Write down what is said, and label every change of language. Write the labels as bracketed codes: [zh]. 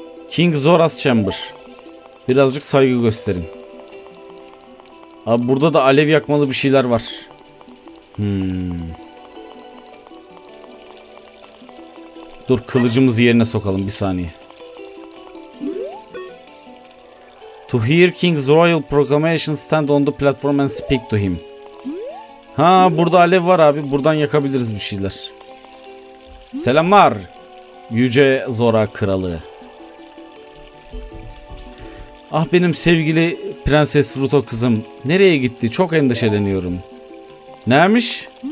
[tr] King Zoras Chamber. Birazcık saygı gösterin. Abi burada da alev yakmalı bir şeyler var. Dur kılıcımızı yerine sokalım bir saniye. [en] To hear King's Royal Proclamation, stand on the platform and speak to him. [tr] Ha, burada alev var abi. Buradan yakabiliriz bir şeyler. Selamlar, Yüce Zora Kralı. Ah benim sevgili Prenses Ruto kızım. Nereye gitti? Çok endişeleniyorum. Neymiş?